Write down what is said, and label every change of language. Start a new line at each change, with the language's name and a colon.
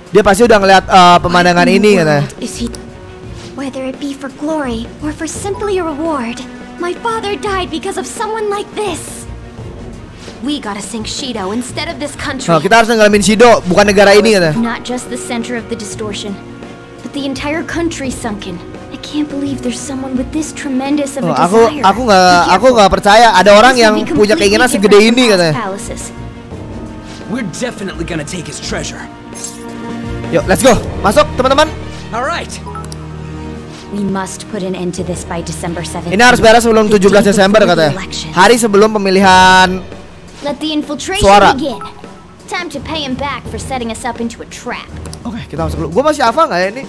Indonesian: Dia pasti udah ngeliat pemandangan ini kata.
English: Whether it be for glory or for simply a reward. My father died because of someone like this. We gotta sink Shido instead of this country.
Indonesian: Oh, kita harus tenggelamin Shido, bukan negara ini katanya.
English: Not just the center of the distortion, but the entire country sunken. I can't believe there's someone with this tremendous of a desire.
Indonesian: Aku nggak percaya ada orang yang punya keinginan segede ini katanya.
English: We're definitely gonna take his treasure. Yo, let's go,
Indonesian: masuk teman-teman.
English: All right. We must put an end to this by December 7th.
Indonesian: Ini harus beres sebelum 17 Desember katanya. Hari sebelum pemilihan.
English: Let the infiltration suara. Begin. Time to pay him back for setting us up into a trap.
Indonesian: Oke, okay, kita masuk dulu. Gua masih hafal enggak ya ini?